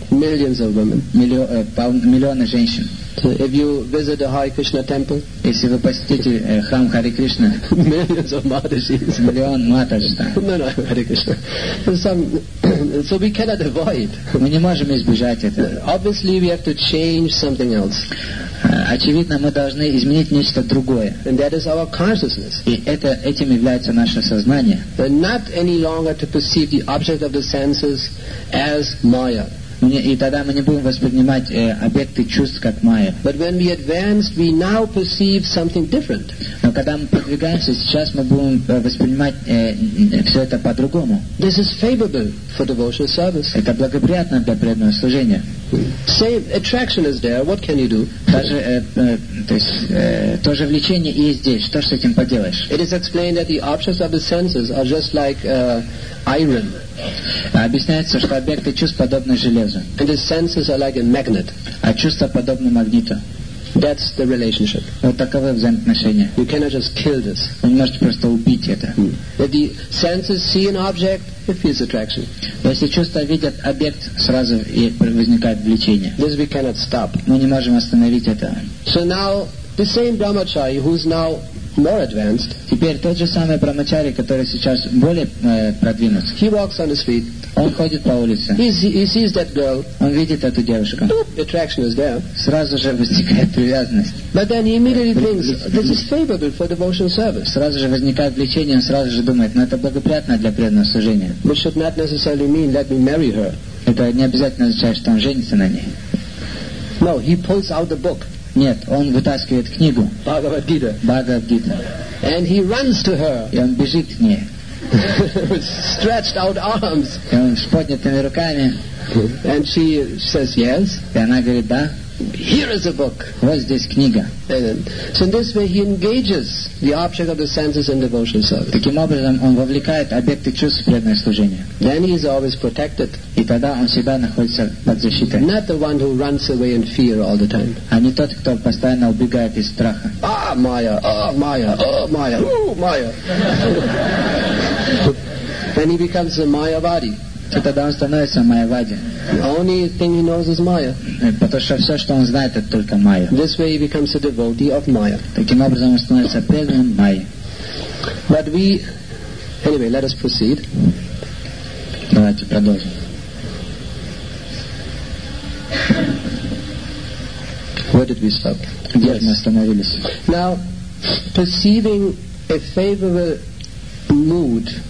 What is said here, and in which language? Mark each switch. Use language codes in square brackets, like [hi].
[en] Millions of women. [ru] Миллионы женщин. [en] So if you visit the Hare Krishna temple, [ru] если вы посетите храм Харе Кришна, [en] millions of Madhushis. [ru] Миллион матаджи. [en] No, Харе Кришна. So we cannot avoid. [ru] Мы не можем избежать этого. [en] Obviously we have to change something else. [ru] Очевидно, мы должны изменить нечто другое. [en] And that is our consciousness. [ru] И этим является наше сознание. [en] But not any longer to perceive the object of the senses as Maya. [ru] И тогда мы не будем воспринимать объекты чувств как Maya. [en] But when we advanced, we now perceive something different. [ru] Но когда мы продвигаемся, сейчас мы будем воспринимать все это по-другому. [en] This is favorable for devotional service. [ru] Это благоприятно для преданного служения. [en] Same attraction is there. What can you do? [ru] Даже, то есть, то же влечение и здесь. Что ж с этим поделаешь? [en] It is explained that the objects of the senses are just like iron. [ru] Объясняется, что объекты чувств подобны железу. [en] And the senses are like a magnet. [ru] А чувства подобны магниту. [en] That's the relationship. [ru] Вот таковы взаимоотношения. [en] You cannot just kill this. [ru] Вы не можете просто убить это. [en] That the senses see an object, it feels attraction. [ru] То есть чувства видят объект, сразу возникает влечение. [en] This we cannot stop. [ru] Мы не можем остановить это. [en] So now the same brahmachari who is now more advanced. [ru] Теперь тот же самый брахмачари, который сейчас более продвинут. [en] He walks on the street. [ru] Он ходит по улице. [en] He sees that girl. [ru] Он видит эту девушку. [en] Attraction is there. [ru] Сразу же возникает привязанность. [en] But then he immediately thinks this is favorable for devotional service. [ru] Сразу же возникает влечение, он сразу же думает, ну это благоприятно для преданного служения. [en] But should not necessarily mean let me marry her. [ru] Это не обязательно означает, что он женится на ней. [en] No, he pulls out the book. [ru] Нет, он вытаскивает книгу. [en] Бхагавад-гита. And he runs to her. [ru] И он бежит к ней. [en] Stretched out arms. [ru] И он с поднятыми руками. [en] And she says yes. [ru] И она говорит да. [en] Here is a book. [ru] Вот здесь книга. [en] Amen. So in this way he engages the object of the senses in devotional service. [ru] Таким образом он вовлекает объекты чувств в преданное служение. [en] Then he is always protected. [ru] И тогда он всегда находится под защитой. [en] Not the one who runs away in fear all the time. [ru] А не тот, кто постоянно убегает из страха. [en] Ah, Maya! Oh, Maya! Oh, Maya! Oh, Maya! Then he becomes a Mayavadi. [ru] И тогда он становится майявади. [en] Only thing he knows is Maya. [ru] Потому что все, что он знает, это только Maya. [en] This way he becomes a devotee of Maya. [ru] Таким образом он становится преданным Майи. [en] But we, anyway, let us proceed. [ru] Давайте продолжим. [en] Where did we stop? [ru] Где мы остановились? [en] Now, perceiving a favorable mood.